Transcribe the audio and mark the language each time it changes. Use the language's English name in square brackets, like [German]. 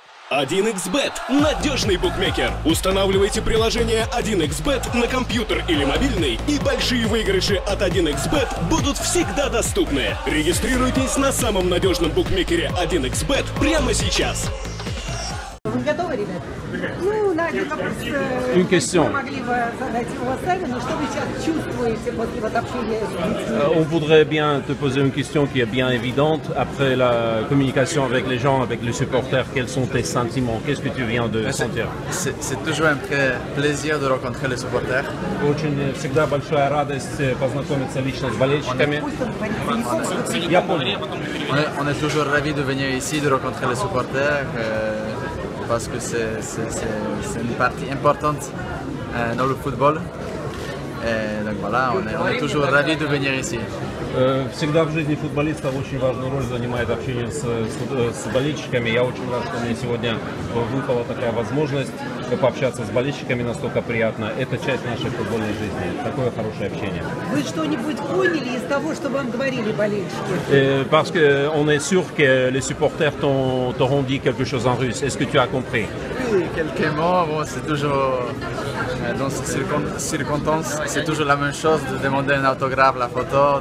[Russian] 1xBet – надежный букмекер. Устанавливайте приложение 1xBet на компьютер или мобильный, и большие выигрыши от 1xBet будут всегда доступны. Регистрируйтесь на самом надежном букмекере 1xBet прямо сейчас. Вы готовы, ребята? Ну, наверное, вопрос, который мы могли бы задать его сами, но что вы сейчас чувствуете после вот общения с детьми? [French] On voudrait bien te poser une question qui est bien évidente. Après la communication avec les gens, avec les supporters, quels sont tes sentiments? Qu'est-ce que tu viens de sentir? C'est toujours un très plaisir de rencontrer les supporters. [Russian] Очень всегда большая радость познакомиться лично с болельщиками. [French] On est toujours ravis de venir ici, de rencontrer les supporters. Parce que c'est une partie importante dans le football. Et donc voilà, on est toujours ravis de venir ici. [Russian] Всегда в жизни футболиста очень важную роль занимает общение с болельщиками. Я очень рад, что мне сегодня выпала такая возможность пообщаться с болельщиками, настолько приятно. Это часть нашей футбольной жизни. Такое хорошее общение. Вы что-нибудь поняли из того, что вам говорили болельщики? [French] Parce que on est sûr que les supporters t'auront dit quelque chose en russe. Est-ce que tu as compris? Quelques mots, bon, c'est toujours dans ces circonstances, c'est toujours la même chose de demander un autographe, la photo.